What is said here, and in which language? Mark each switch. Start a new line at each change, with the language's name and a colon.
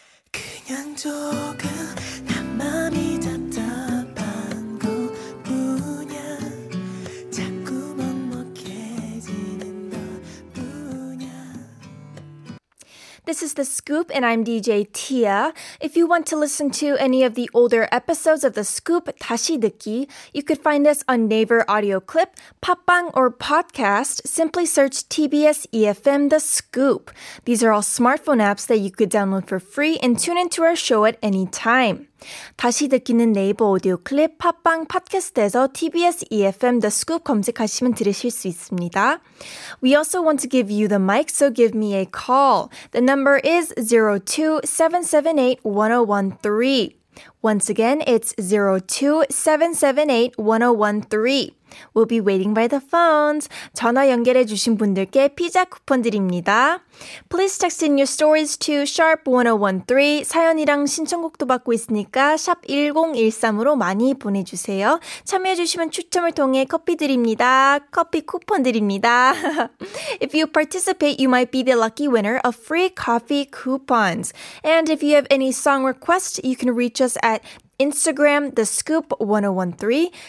Korean: 그냥 조금 난 맘이 답답한 것뿐이야 자꾸 먹먹해지는 너뿐이야
English: This is The Scoop and I'm DJ Tia. If you want to listen to any of the older episodes of The Scoop
Korean: 다시 듣기,
English: you could find us on Naver Audio Clip, 팟빵 or podcast. Simply search TBS EFM The Scoop. These are all smartphone apps that you could download for free and tune into our show at any time.
Korean: 다시 듣기는 네이버 오디오 클립, 팟빵, 팟캐스트에서 TBS EFM The Scoop 검색하시면 들으실 수 있습니다.
English: We also want to give you the mic, so give me a call. The number is 02-778-1013. Once again, it's 02-778-1013. We'll be waiting by the phones.
Korean: 전화 연결해 주신 분들께 피자 쿠폰 드립니다.
English: Please text in your stories to sharp1013.
Korean: 사연이랑 신청곡도 받고 있으니까 샵1013으로 많이 보내주세요. 참여해 주시면 추첨을 통해 커피 드립니다. 커피 쿠폰 드립니다.
English: If you participate, you might be the lucky winner of free coffee coupons. And if you have any song requests, you can reach us at Instagram, thescoop1013.